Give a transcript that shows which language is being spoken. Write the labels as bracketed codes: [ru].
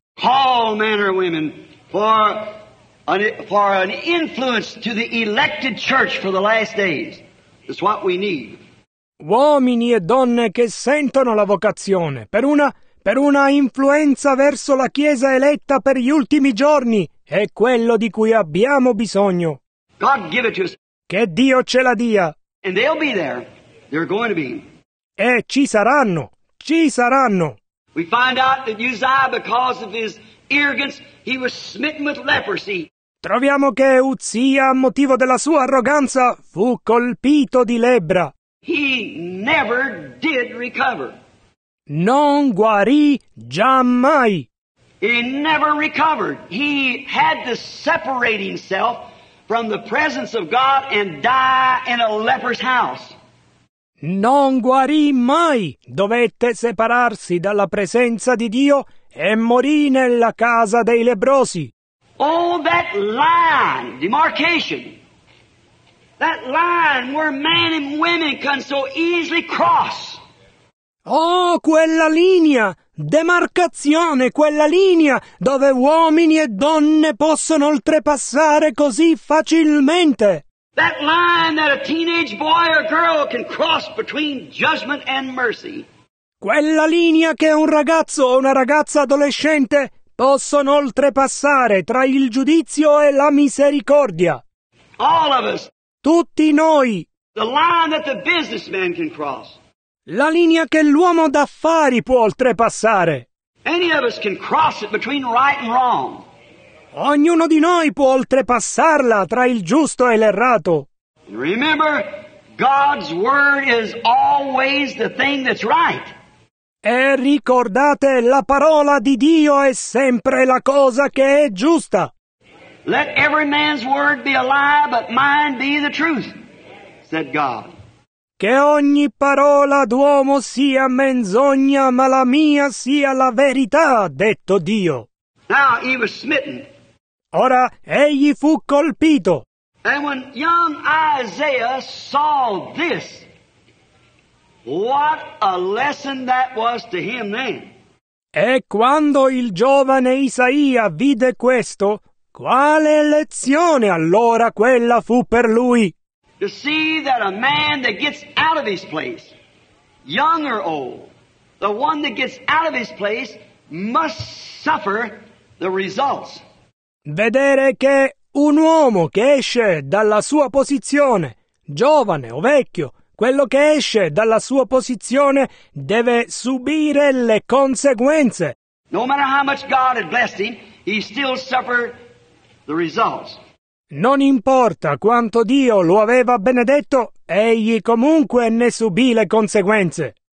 [en] Call men or women for an influence to the elected church for the last days. That's what we need. [it] Uomini e donne che sentono la vocazione per una influenza verso la Chiesa eletta per gli ultimi giorni è quello di cui abbiamo bisogno. [en] God give it to us. [it] Che Dio ce la dia. [en] And they'll be there. They're going to be. [it] E ci saranno. Ci saranno. [en] We find out that Uzziah, because of his arrogance, he was smitten with leprosy. [it] Troviamo che Uzzia, a motivo della sua arroganza, fu colpito di lebbra. [en] He never did recover. [it] Non guarì giammai. [en] He never recovered. He had to separate himself from the presence of God and die in a leper's house. [it] Non guarì mai. Dovette separarsi dalla presenza di Dio e morì nella casa dei lebbrosi. [en] Oh, that line, demarcation. That line where men and women can so easily cross. [it] Oh, quella linea, demarcazione, quella linea dove uomini e donne possono oltrepassare così facilmente. [en] That line that a teenage boy or girl can cross between judgment and mercy. [it] Quella linea che un ragazzo o una ragazza adolescente possono oltrepassare tra il giudizio e la misericordia. [en] All of us. [it] Tutti noi. [en] The line that the businessman can cross. [it] La linea che l'uomo d'affari può oltrepassare. [en] Any of us can cross it between right and wrong. [it] Ognuno di noi può oltrepassarla tra il giusto e l'errato. [en] Remember, God's word is always the thing that's right. [it] E ricordate, la parola di Dio è sempre la cosa che è giusta. [en] Let every man's word be a lie, but mine be the truth, said God. [it] Che ogni parola d'uomo sia menzogna, ma la mia sia la verità, detto Dio. [en] Now he was smitten. [it] Ora egli fu colpito. [en] And when young Isaiah saw this, what a lesson that was to him then. [it] E quando il giovane Isaia vide questo, quale lezione allora quella fu per lui? [en] To see that a man that gets out of his place, young or old, the one that gets out of his place must suffer the results. [it] Vedere che un uomo che esce dalla sua posizione, giovane o vecchio, quello che esce dalla sua posizione deve subire le conseguenze. [en] No matter how much God had blessed him, he still suffered the results. [it] Non importa quanto Dio lo aveva benedetto, egli comunque ne subì le conseguenze.